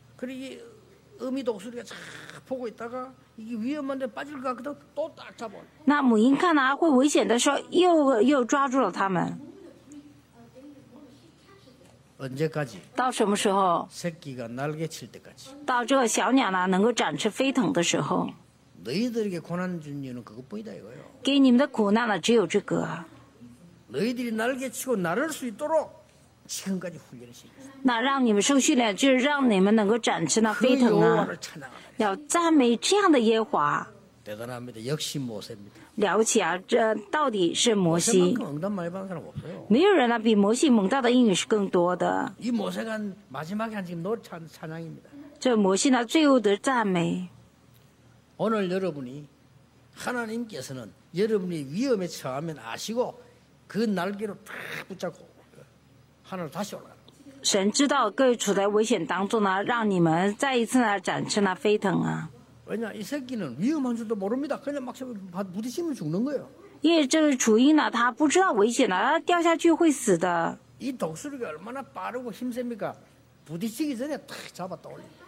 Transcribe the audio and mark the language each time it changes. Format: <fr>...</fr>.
<ko>그리고 이 어미 독수리가 쫙 보고 있다가 이게 위험한데 빠질까 그래도 또 딱 잡아.</ko> <zh>那母鹰看呢会危险的时候，又抓住了它们。</zh> <ko>언제까지?</ko> <zh>到什么时候?</zh> <ko>새끼가 날개 칠 때까지.</ko> <zh>到这个小鸟呢能够展翅飞腾的时候.</zh> <ko>너희들에게 고난 준 이유는 그것뿐이다 이거요.</ko> <zh>给你们的苦难呢只有这个.</zh> <ko>너희들이 날개 치고 날을 수 있도록 지금까지 훈련을 시켜.</ko> <zh>那让你们受训练，就是让你们能够展翅呢飞腾啊. 要赞美这样的耶和华.</zh> <ko>대단합니다. 역시 모세입니다.</ko> <zh>了解啊，这到底是摩西。</zh> <ko>응답 많이 받은 사람 없어요.</ko> <zh>没有人呢比摩西蒙到的应许是更多的。이</zh> <ko>모세가 마지막에 한 지금 노찬 찬양입니다.</ko> <zh>这摩西呢最后的赞美。</zh> <ko>오늘 여러분이 하나님께서는 여러분이 위험에 처하면 아시고 그 날개로 탁 붙잡고 하늘 다시 올라가.</ko> <zh>神知道各位处在危险当中呢，让你们再一次呢展翅呢飞腾啊。</zh> <ko>왜냐 이 새끼는 위험한 줄도 모릅니다. 그냥 막 부딪히면 죽는 거예요.</ko> <zh>예, 这个雏鹰呢，它不知道危险了，掉下去会死的.</zh> <ko>이 독수리가 얼마나 빠르고 힘셉니까? 부딪히기 전에 탁 잡았다 올려.</ko>